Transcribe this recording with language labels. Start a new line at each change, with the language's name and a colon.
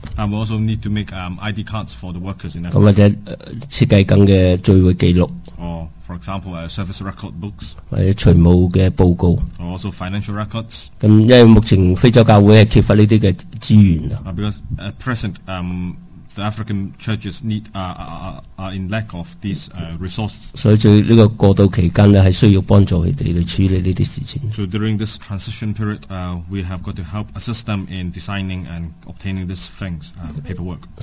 English: And we also need to make ID cards for the workers in FM.
Chinese: 或者, 設計中的聚會記錄,
English: or, for example, service record books.
Chinese: 或者財務的報告,
English: or also financial records.
Chinese: 因為目前非洲教會缺乏這些資源,
English: because at present, the African churches need are in lack of these resources.
Chinese: 所以在這個過渡期間,是需要幫助他們去處理這些事情。
English: So during this transition period, we have got to help assist them in designing and obtaining these things, paperwork.